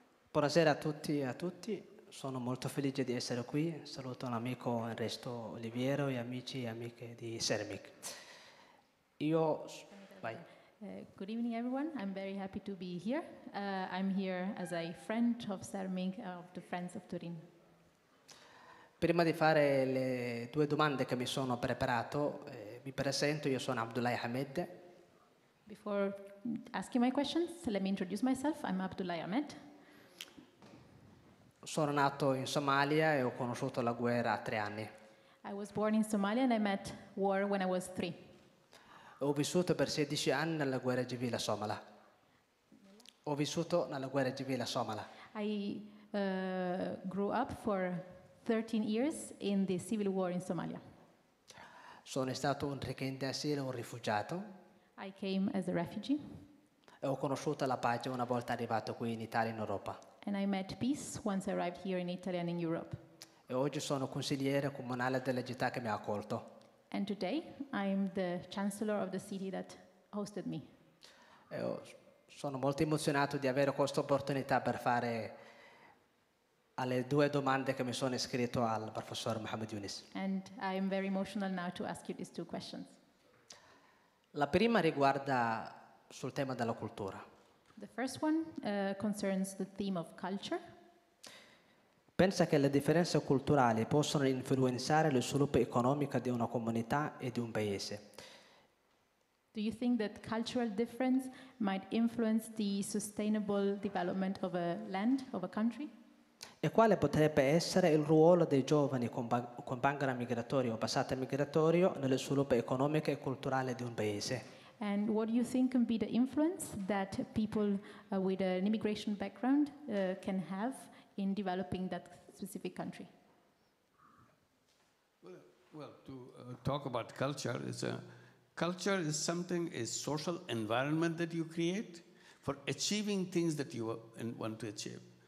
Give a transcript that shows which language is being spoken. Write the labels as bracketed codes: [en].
[it] Buonasera a tutti e a tutti. Sono molto felice di essere qui. Saluto l'amico Ernesto Oliviero e amici e amiche di Sermig. Io vai. [en] Good evening, everyone. I'm very happy to be here. I'm here as a friend of Sermig, of the Friends of Turin. [it] Prima di fare le due domande che mi sono preparato, mi presento. Io sono Abdullahi Ahmed. [en] Before asking my questions, let me introduce myself. I'm Abdullahi Ahmed. [it] Sono nato in Somalia e ho conosciuto la guerra a 3 anni. [en] I was born in Somalia and I met war when I was 3. [it] Ho vissuto per 16 anni nella guerra civile somala. Ho vissuto nella guerra civile somala. [en] I grew up for 13 years in the civil war in Somalia. [it] Sono stato un richiedente asilo, un rifugiato. [en] I came as a refugee. [it] E ho conosciuto la pace una volta arrivato qui in Italia e in Europa. [en] And I met peace once I arrived here in Italy and in Europe. [it] E oggi sono consigliere comunale della città che mi ha accolto. [en] And today I'm the chancellor of the city that hosted me. [it] E sono molto emozionato di avere questa opportunità per fare alle due domande che mi sono iscritto al professor Mohamed Yunus. [en] And I'm very emotional now to ask you these two questions. [it] La prima riguarda sul tema della cultura. [en] The first one concerns the theme of culture. [it] Pensa che le differenze culturali possono influenzare lo sviluppo economico di una comunità e di un paese. [en] Do you think that cultural difference might influence the sustainable development of a land, of a country? [it] E quale potrebbe essere il ruolo dei giovani con background migratorio o passato migratorio nello sviluppo economico e culturale di un paese? [en] And what do you think can be the influence that people with an immigration background can have in developing that specific country? Well to talk about culture, culture is something, a social environment that you create for achieving things that you want to achieve.